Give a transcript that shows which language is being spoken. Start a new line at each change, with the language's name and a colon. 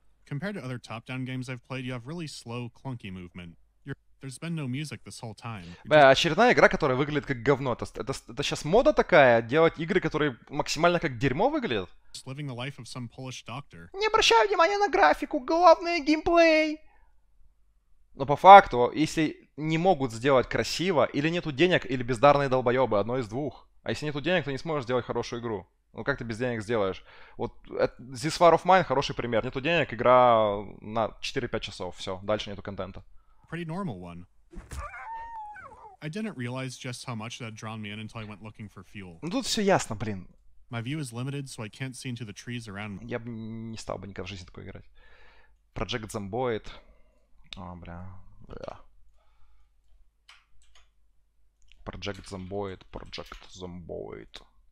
English: Compared to other top-down games I've played, you have really slow, clunky movement. There's been no music this whole time.
Russian: Бля, очередная игра, которая выглядит как говно. Это сейчас мода такая, делать игры, которые максимально как дерьмо выглядят? Не обращаю внимания на графику, главное геймплей! Но по факту, если не могут сделать красиво, или нету денег, или бездарные долбоебы, одно из двух. А если нету денег, то не сможешь сделать хорошую игру. Ну как ты без денег сделаешь? Вот This War of Mine хороший пример. Нету денег, игра на 4-5 часов, все, дальше нету контента.
English: Pretty normal one. I didn't realize just how much that drawn me in until I went looking for fuel.
Russian: Ну тут все ясно, блин.
English: My view is limited, so I can't see into the trees around me.
Russian: Я бы не стал бы никогда в жизни такой играть. Project Zomboid. О, бля. Бля.
English: Project Zomboid. Project Zomboid.